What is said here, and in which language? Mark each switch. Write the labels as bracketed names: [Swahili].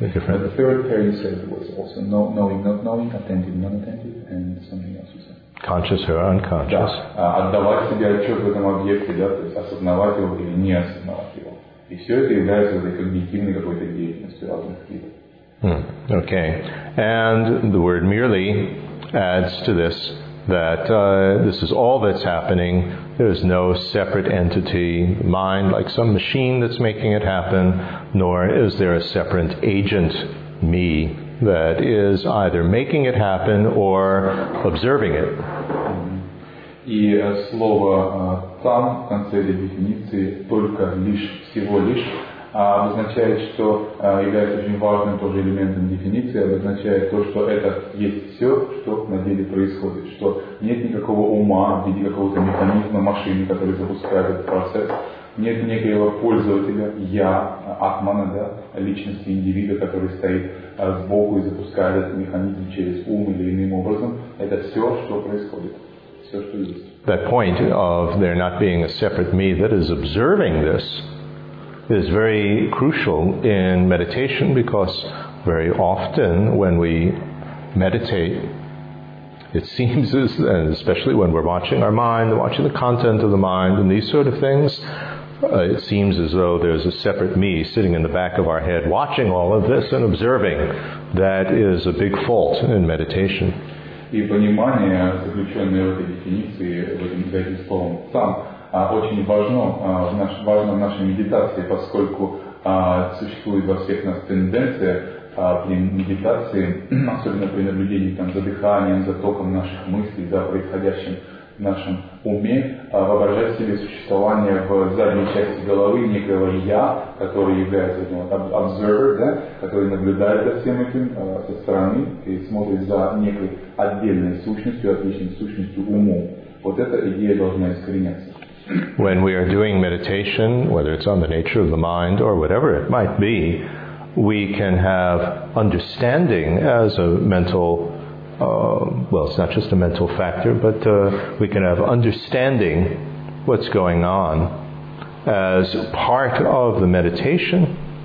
[English] The third pair you said was also knowing, not knowing, attentive, non-attentive, and something else you said. Conscious or unconscious. [Russian] Отдавать себе отчет в этом объекте, да, то есть осознавать его или не осознавать его. И все это является этой когнитивной какой-то деятельностью разных видов. [English] Okay. And the word merely adds to this that this is all that's happening There is no separate entity, mind, like some machine that's making it happen, nor is there a separate agent, me, that is either making it happen or observing it. [Russian] И слово «там» в конце этой дефиниции «только», «лишь», «всего лишь» обозначает, что является очень важным тоже элементом дефиниции, обозначает то, что это есть все, что на деле происходит, что нет никакого ума в виде какого-то механизма, машины, который запускает этот процесс, нет некоего пользователя, я, атмана, да, личности, индивида, который стоит сбоку и запускает этот механизм через ум или иным образом, это все, что происходит. [English] That point of there not being a separate me that is observing this is very crucial in meditation, because very often when we meditate, it seems, as, and especially when we're watching our mind, watching the content of the mind and these sort of things, it seems as though there's a separate me sitting in the back of our head watching all of this and observing. That is a big fault in meditation. [Russian] И понимание, заключенное в этой дефиниции, в этом этим словом «сам», очень важно, важно в нашей медитации, поскольку существует во всех нас тенденция при медитации, особенно при наблюдении там, за дыханием, за током наших мыслей, за происходящим в нашем уме, воображать себе существование в задней части головы некого «я», который является observer, да, который наблюдает за всем этим со стороны и смотрит за некой отдельной сущностью, отличной сущностью умом. Вот эта идея должна искореняться. [English] When we are doing meditation, whether it's on the nature of the mind or whatever it might be, we can have understanding as a mental well, it's not just a mental factor, but we can have understanding what's going on as part of the meditation.